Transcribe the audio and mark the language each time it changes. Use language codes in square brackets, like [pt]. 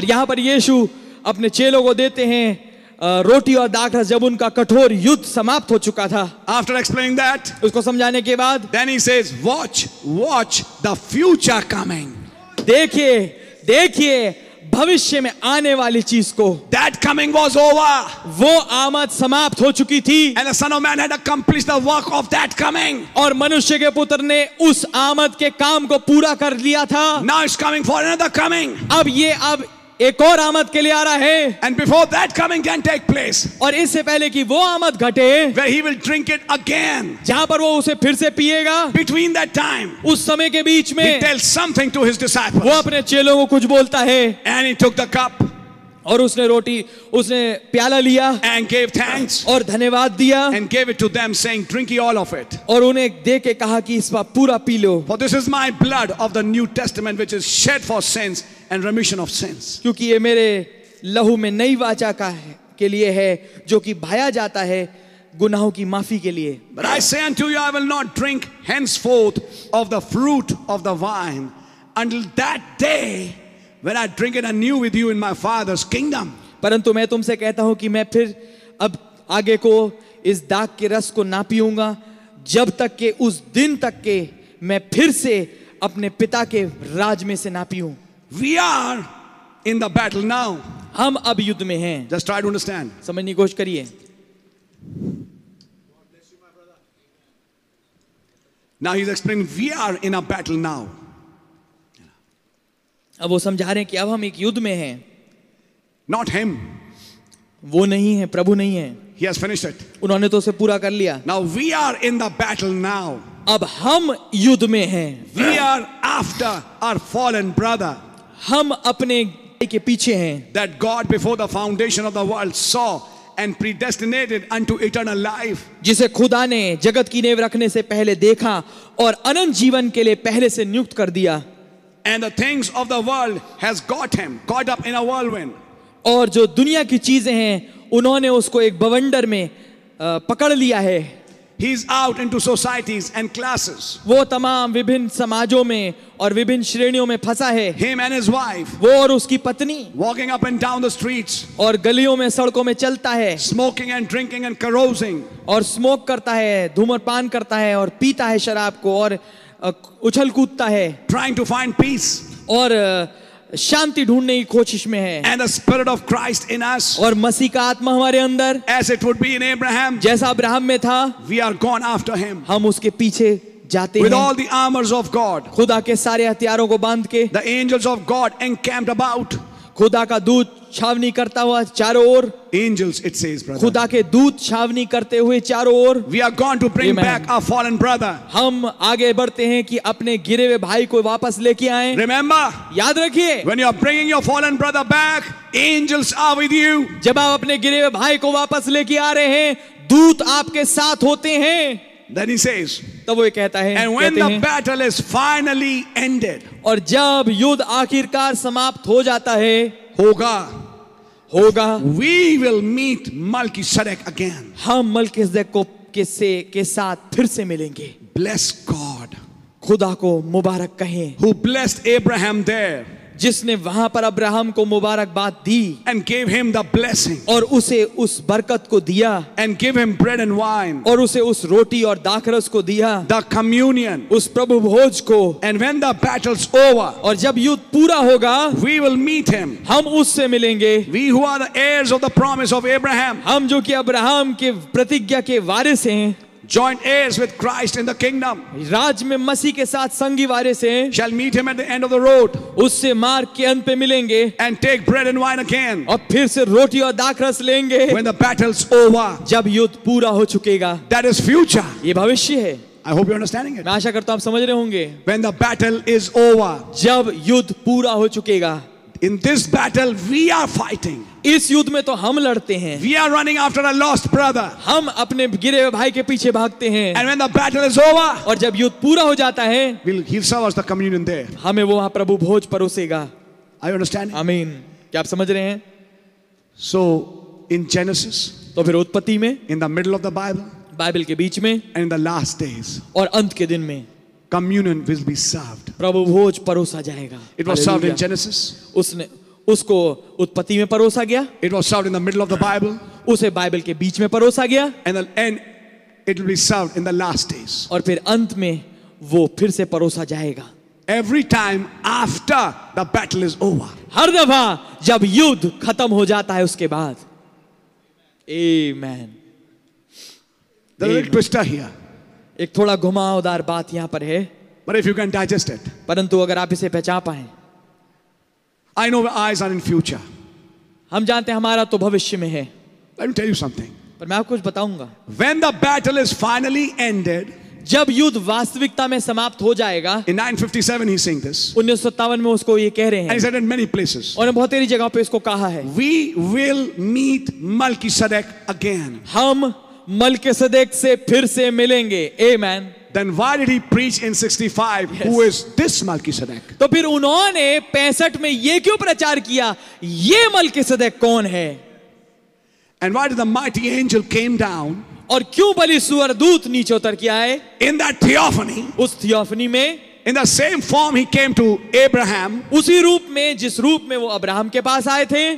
[hi] और यहाँ पर यीशु अपने चेलों को देते हैं रोटी और दाखरस जब उनका कठोर युद्ध समाप्त हो चुका था. [en] After explaining that, [hi] उसको समझाने के बाद, [en] then he says, watch, watch the future coming. [hi] देखिए, देखिए भविष्य में आने वाली चीज को. [en] That coming was over. [hi] वो आमद समाप्त हो चुकी थी. [en] And the Son of Man had accomplished the work of that coming. [hi] और मनुष्य के पुत्र ने उस आमद के काम को पूरा कर लिया था. [en] Now it's coming for another coming. [hi] अब एक और आमद के लिए आ रहा है. [en] And before that coming can take place. [hi] और इससे पहले कि वो आमद घटे, [en] where he will drink it again. [hi] जहाँ पर वो उसे फिर से पिएगा. [en] Between that time. [hi] उस समय के बीच में. [en] He tells something to his disciples. [hi] वो अपने चेलों को कुछ बोलता है. [en] And he took the cup. [hi] और उसने रोटी, उसने प्याला लिया. [en] And gave thanks. [hi] और धन्यवाद दिया. [en] And gave it to them, saying, "Drink ye all of it." [hi] और उन्हें देके कहा कि इस बार पूरा P low. [en] For this is my blood of the new testament, which is shed for sins. And remission of sins. [hi] क्योंकि ये मेरे लहू में नई वाचा का है के लिए है जो कि भाया जाता है गुनाहों की माफी के लिए. [en] But I say unto you, I will not drink henceforth of the fruit of the vine until that day when I drink it anew with you in my Father's kingdom. [hi] परंतु मैं तुमसे कहता हूँ कि मैं फिर अब आगे को इस दाग के रस को ना पीऊँगा जब तक के उस दिन तक के मैं फिर से अपने पिता के राज में से ना पीऊँ. [en] We are in the battle now. [hi] हम अब युद्ध में हैं. [en] Just try to understand. [hi] समझने की कोशिश करिए. [en] Now he's explaining we are in a battle now. [hi] अब वो समझा रहे हैं कि अब हम एक युद्ध में हैं. [en] Not him. [hi] वो नहीं है, प्रभु नहीं है. [en] He has finished it. [hi] उन्होंने तो उसे पूरा कर लिया. [en] Now we are in the battle now. [hi] अब हम युद्ध में हैं. [en] We are after our fallen brother. [hi] हम अपने भाई के पीछे हैं. [en] That God before the foundation of the world saw and predestinated unto eternal life. [hi] जिसे खुदा ने जगत की नेव रखने से पहले देखा और अनंत जीवन के लिए पहले से नियुक्त कर दिया. [en] And the things of the world has got him caught up in a whirlwind. [hi] और जो दुनिया की चीजें हैं उन्होंने उसको एक बवंडर में पकड़ लिया है. [en] He's out into societies and classes. [hi] वो तमाम विभिन्न समाजों में और विभिन्न श्रेणियों में फंसा है. [en] Him and his wife. [hi] वो और उसकी पत्नी. [en] Walking up and down the streets. [hi] और गलियों में सड़कों में चलता है. [en] Smoking and drinking and carousing. [hi] और स्मोक करता है, धूम्रपान करता है और पीता है शराब को और उछल कूदता है. [en] Trying to find peace. [hi] और शांति ढूंढने की कोशिश में है. [en] And the spirit of Christ in us. [hi] और मसीह का आत्मा हमारे अंदर. [en] As it would be in Abraham. [hi] जैसा अब्राहम में था. [en] We are gone after him. [hi] हम उसके पीछे जाते [en] With All the armors of God. [hi] खुदा के सारे हथियारों को बांध के. [en] The angels of God encamped about. [hi] खुदा का दूत छावनी करता हुआ चारों ओर. [en] Angels, it says, brother. [hi] खुदा के दूत छावनी करते हुए चारों ओर. [en] We are gone to bring back our fallen brother. [hi] हम आगे बढ़ते हैं कि अपने गिरे हुए भाई को वापस लेके आएं. [en] Remember, [hi] याद रखिए. [en] When you are bringing your fallen brother back, angels are with you. [hi] जब आप अपने गिरे हुए भाई को वापस लेके आ रहे हैं दूत आपके साथ होते हैं. [en] Then he says, [hi] तब वो ये कहता है, [en] and when the battle is finally ended, [hi] और जब युद्ध आखिरकार समाप्त हो जाता है, होगा, होगा, [en] we will meet Melchizedek again. [hi] हम मलकीसदेक को किससे के साथ फिर से मिलेंगे. [en] Bless God, [hi] खुदा को मुबारक कहें, [en] who blessed Abraham there, [hi] जिसने वहां पर अब्राहम को मुबारकबाद दी [en] and give him the blessing [hi] और उसे उस बरकत को दिया [en] and give him bread and wine [hi] और उसे उस रोटी और दाखरस को दिया [en] the communion [hi] उस प्रभु भोज को [en] and when the battle's over [hi] और जब युद्ध पूरा होगा [en] we will meet him [hi] हम उससे मिलेंगे [en] we who are the heirs of the promise of Abraham [hi] हम जो कि अब्राहम के प्रतिज्ञा के वारिस हैं [en] Joint heirs with Christ in the kingdom. [hi] राज में मसी के साथ संगी वारे से [en] shall meet him at the end of the road. [hi] उससे मार्ग के अंत पे मिलेंगे [en] and take bread and wine again. [hi] और फिर से रोटी और दाखरस लेंगे [en] when the battle's over. [hi] जब युद्ध पूरा हो चुकेगा [en] that is future. [hi] ये भविष्य है [en] I hope you're understanding it. [hi] मैं आशा करता हूँ आप समझ रहे होंगे [en] when the battle is over. [hi] जब युद्ध पूरा हो चुकेगा [en] In this battle, we are fighting. [hi] इस युद्ध में तो हम लड़ते हैं. [en] We are running after a lost brother. [hi] हम अपने गिरे हुए भाई के पीछे भागते हैं. [en] And when the battle is over, [hi] और जब युद्ध पूरा हो जाता है, [en] he'll serve us the communion there. [hi] हमें वो वहाँ प्रभु भोज परोसेगा. [en] Are you understanding? [hi] Amen. क्या आप समझ रहे हैं? [en] So in Genesis, [hi] तो फिर उत्पत्ति में, [en] in the middle of the Bible, [hi] Bible के बीच में, [en] and in the last days, [hi] और अंत के दिन में. [en] Communion will be served. [hi] प्रभु भोज परोसा जाएगा. [en] It was served in Genesis. [hi] उसने उसको उत्पत्ति में परोसा गया. [en] It was served in the middle of the Bible. [hi] उसे बाइबल के बीच में परोसा गया. [en] And it will be served in the last days. [hi] और फिर अंत में वो फिर से परोसा जाएगा. [en] Every time after the battle is over. [hi] हर दफा जब युद्ध खत्म हो जाता है उसके बाद. [en] Amen. The little twister here. [hi] एक थोड़ा घुमावदार बात यहां पर है [en] But if you can digest it, [hi] परंतु अगर आप इसे पहचान पाए [en] I know eyes are in future. [hi] हम जानते हैं हमारा तो भविष्य में है [en] Let me tell you something. [hi] पर मैं आपको कुछ बताऊंगा [en] When the battle is finally ended, [hi] जब युद्ध वास्तविकता में समाप्त हो जाएगा [en] In 957 he's saying this, [hi] 1957 में उसको ये कह रहे हैं [en] And he said in many places, [hi] और बहुत सारी जगह पे इसको कहा है [en] We will meet Melchizedek again. [hi] हम मलकिसदेक से फिर से मिलेंगे Amen. [en] Then why did he preach in 65? Yes. Who is this Melchizedek? [hi] तो फिर उन्होंने 65 में ये क्यों प्रचार किया? ये मलकिसदेक कौन है? [en] And why did the mighty angel came down? [hi] और क्यों बलि स्वर्गदूत नीचे उतर के आए? [en] In that theophany. [hi] उस थियोफनी में. [en] In the same form he came to Abraham. [hi] उसी रूप में जिस रूप में वो अब्राहम के पास आए थे.